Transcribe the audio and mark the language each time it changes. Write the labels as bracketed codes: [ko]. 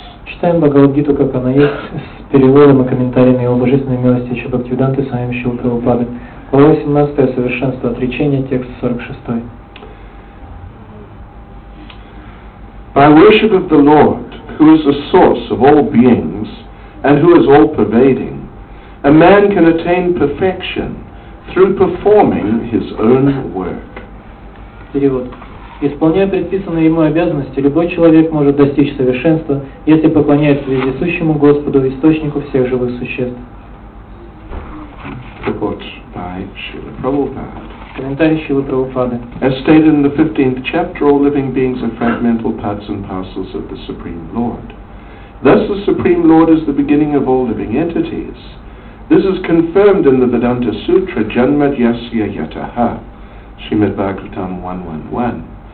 [ru] Читаем Бхагавад-гиту, как она есть, с переводом и комментариями его божественной милости Ача Бхактивиданты с вами Шрила Прабхупады. Глава 18, Совершенство отречения, текст 46. [en] By worship of the Lord, who is the source of all beings, and who is all-pervading, a man can attain perfection, through performing his own work. [ru] Перевод. Исполняя предписанные ему обязанности, любой человек может достичь совершенства, если поклоняется вездесущему Господу, источнику всех живых существ. [en] Purport by Srila Prabhupada. [ru] Комментарий Шрилы Прабхупады. [en] As stated in the 15th chapter, all living beings are fragmental parts and parcels of the Supreme Lord. Thus the Supreme Lord is the beginning of all living entities. This is confirmed in the Vedanta Sutra, Janmad Yasya Yataha, Srimad Bhagavatam 111.